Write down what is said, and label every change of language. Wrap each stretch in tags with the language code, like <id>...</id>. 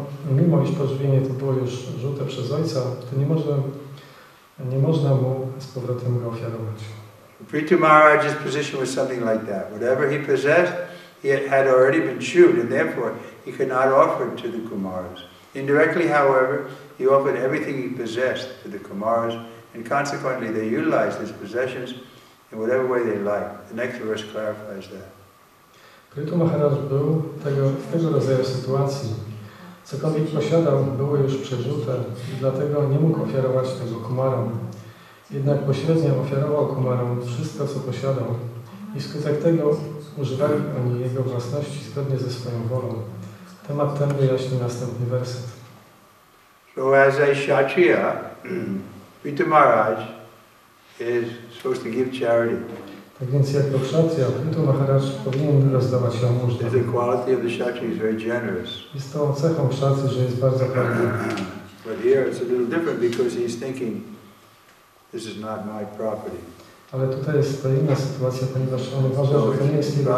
<pl>Mimo iż pożywienie to było już żute przez ojca, to nie można mu z powrotem go ofiarować.</pl> <en>Prithu Maharaj's position was something like that. Whatever he possessed, he had already been chewed, and therefore he could not offer it to the Kumaras. Indirectly, however, he offered everything he possessed to the Kumaras, and consequently they utilized his possessions in whatever way they liked. The next verse clarifies that.</en> <pl>Prithu Maharaj był tego rodzaju sytuacji. Cokolwiek posiadał, było już przeżute i dlatego nie mógł ofiarować tego Kumarom. Jednak pośrednio ofiarował Kumarom wszystko, co posiadał i wskutek tego używali oni jego własności zgodnie ze swoją wolą. Temat ten wyjaśni następny werset.</pl> <en>So as a Kshatriya, Prithu Maharaj is supposed to give charity.</en> <pl>Tak więc jako Kshatriya, Prithu Maharaj powinien rozdawać jałmużnę.</pl> <en>The quality of the Kshatriya is very generous.</en> <pl>Jest to cechą Kshatriya, że jest bardzo karny.</pl> <en>But here it's a little different because he's thinking, this is not my property.</en> <pl>Ale tutaj jest to inna sytuacja, ponieważ on uważa, że to nie jest jego</pl>